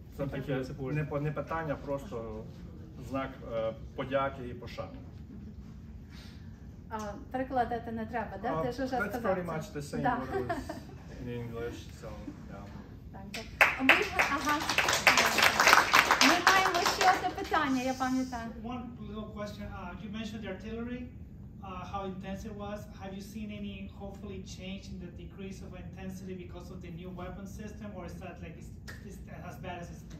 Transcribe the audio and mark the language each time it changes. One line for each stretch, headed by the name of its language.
Ukrainian: Це таке не питання, а просто знак подяки і пошани. Перекладати не треба, да? Ти ж уже сказав.
English: That's pretty much the same word in English, so, yeah. Thank you.
Ukrainian: Ми маємо ще одне питання, я пам'ятаю.
English: One little question. You mentioned the artillery, how intense it was. Have you seen any, hopefully, change in the decrease of intensity because of the new weapon system, or is that like it's as bad as it's been?